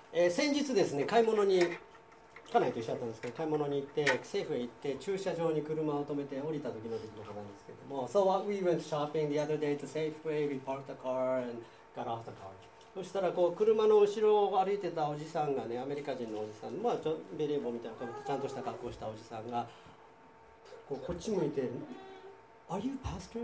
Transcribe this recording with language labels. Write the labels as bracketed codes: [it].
[ja] 先日ですね、買い物に、家内と一緒だったんですけど、買い物に行って、セーフへ行って駐車場に車を止めて降りた時の出来事なんですけども。 [en] So what we went shopping the other day to Safeway, we parked the car and got off the car。 [ja] そしたらこう車の後ろを歩いてたおじさんがね、アメリカ人のおじさん、まあちょベレー帽みたいなかぶってちゃんとした格好したおじさんがこうこっち向いて、 [en] Are you pastor?